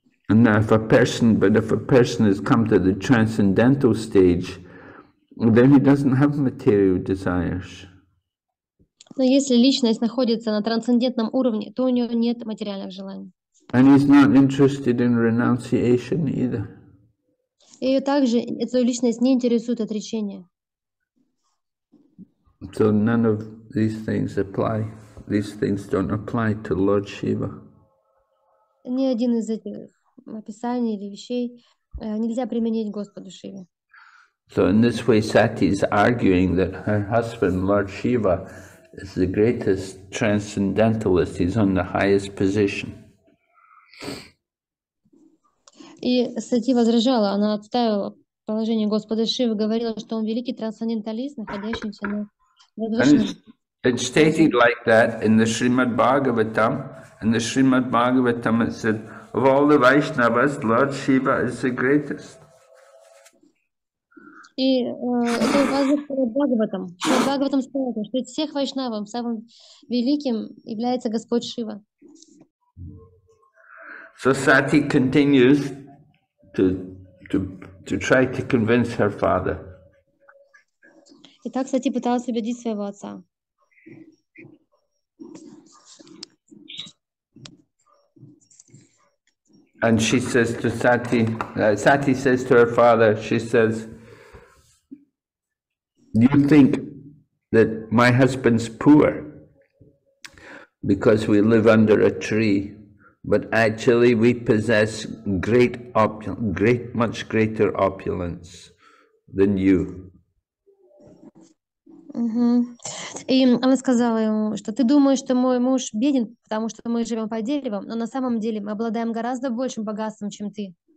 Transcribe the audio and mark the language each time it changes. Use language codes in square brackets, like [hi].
[en] And now if a person has come to the transcendental stage, then he doesn't have material desires. [ru] Но если личность находится на трансцендентном уровне, то у нее нет материальных желаний. [en] And he's not interested in renunciation either. [ru] И также эту личность не интересует отречение. [en] So none of these things apply. These things don't apply to Lord Shiva. [ru] Ни один из этих описаний или вещей нельзя применить Господу Шиве. [en] So in this way, Sati is arguing that her husband, Lord Shiva, is the greatest transcendentalist. He's on the highest position. [ru] И Сати возражала, она отставила положение Господа Шивы, говорила, что он великий трансценденталист, находящийся на возвышенном. [en] It's stated like that in the Srimad Bhagavatam. In the Srimad Bhagavatam it said, of all the Vaishnavas, Lord Shiva is the greatest. [ru] И это указано в Бхагаватам. В Бхагаватам сказано, что из всех вайшнавов самым великим является Господь Шива. [en] So Sati continues to try to convince her father. [ru] Итак, Сати пыталась убедить своего отца. [en] And she says to Sati, Sati says to her father, she says, you think that my husband's poor because we live under a tree. But actually, we possess much greater opulence than you. [ru] И она сказала ему, что ты думаешь, что мой муж беден, потому что мы живем под деревом, но на самом деле мы обладаем гораздо большим богатством, чем ты.